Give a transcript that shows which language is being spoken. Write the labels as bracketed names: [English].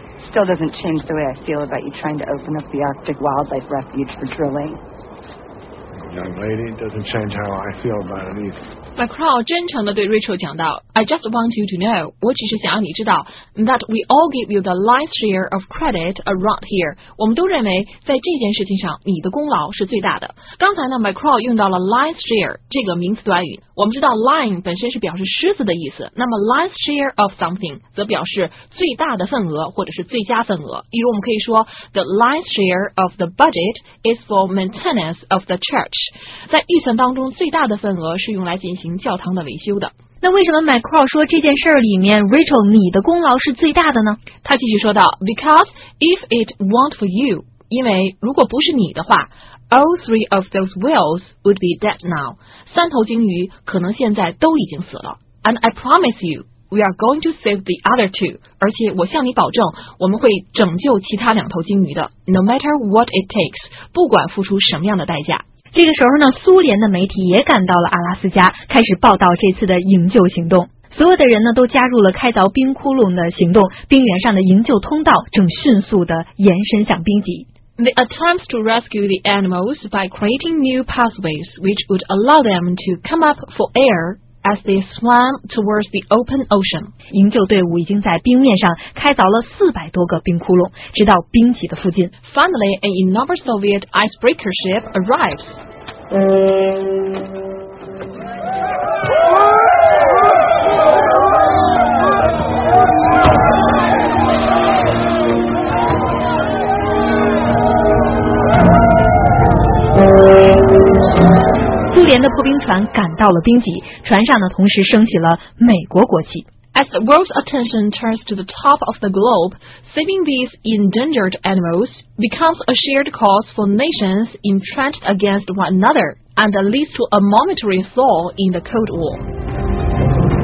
[English] Still doesn't change the way I feel about you trying to open up the Arctic Wildlife Refuge for drilling. Young lady, it doesn't change how I feel about it either. My crow [Chinese] 真诚地对 [English] Rachel [Chinese] 讲道 [English] I just want you to know, [Chinese] 我只是想要你知道 [English] that we all give you the lion's share of credit around here. [Chinese] 我们都认为在这件事情上你的功劳是最大的。刚才呢 My crow 用到了 lion's share 这个名词短语，我们知道 lion 本身是表示狮子的意思，那么 [English] lion's share of something [Chinese] 则表示最大的份额或者是最佳份额。例如我们可以说 [English] the lion's share of the budget is for maintenance of the church. [Chinese] 在预算当中最大的份额是用来进行教堂的维修的。那为什么 Mike Crow 说这件事里面 Rachel 你的功劳是最大的呢？他继续说道 [English] Because if it weren't for you， [Chinese] 因为如果不是你的话， [English] All three of those whales would be dead now， [Chinese] 三头鲸鱼可能现在都已经死了。 [English] And I promise you we are going to save the other two， [Chinese] 而且我向你保证我们会拯救其他两头鲸鱼的， [English] No matter what it takes， [Chinese] 不管付出什么样的代价。这个时候呢，苏联的媒体也赶到了阿拉斯加，开始报道这次的营救行动。所有的人呢，都加入了开凿冰窟窿的行动，冰原上的营救通道正迅速地延伸向冰极。 [English] The attempts to rescue the animals by creating new pathways which would allow them to come up for air as they swam towards the open ocean. [Chinese] 营救队伍已经在冰面上开凿了400多个冰窟窿，直到冰极的附近。 [English] Finally, an enormous Soviet icebreaker ship arrives. [Chinese] The 破冰船赶到了冰极，船上呢同时升起了美国国旗。 [English] As the world's attention turns to the top of the globe, saving these endangered animals becomes a shared cause for nations entrenched against one another, and leads to a momentary thaw in the Cold War.